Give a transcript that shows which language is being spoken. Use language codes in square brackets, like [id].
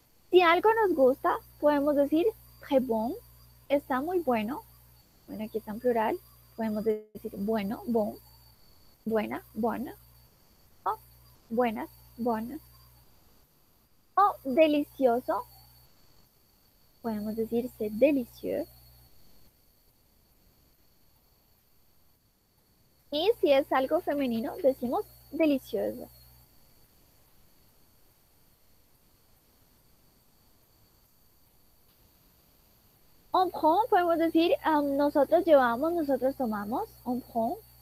[es] Si algo nos gusta, podemos decir [fr] très bon, [es] está muy bueno. Bueno, aquí está en plural, podemos decir bueno, bon, buena, bona, buenas, bonas. O delicioso. Podemos decir [fr] c'est délicieux. [es] Y si es algo femenino, decimos delicioso. [fr] On prend, [es] podemos decir nosotros llevamos, nosotros tomamos, on prend.